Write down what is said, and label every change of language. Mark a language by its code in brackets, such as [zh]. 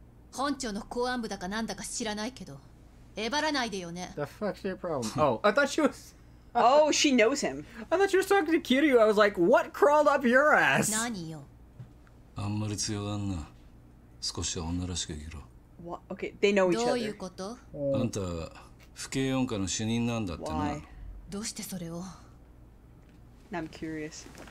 [ja] 本庁の公安部だかなんだか知らないけど [en] The fuck's your problem? Oh, I thought she was... Oh, she knows him. I thought she was talking to Kiryu. I was like, what crawled up your ass? [ja] 何よ? あんまり強がんな。少しは女らしく生きろ。 [en] What? Okay, they know each other. [ja] どういうこと? あんた、府警四課の主任なんだってな。 [en] Why? [ja] どうしてそれを? [en] I'm curious.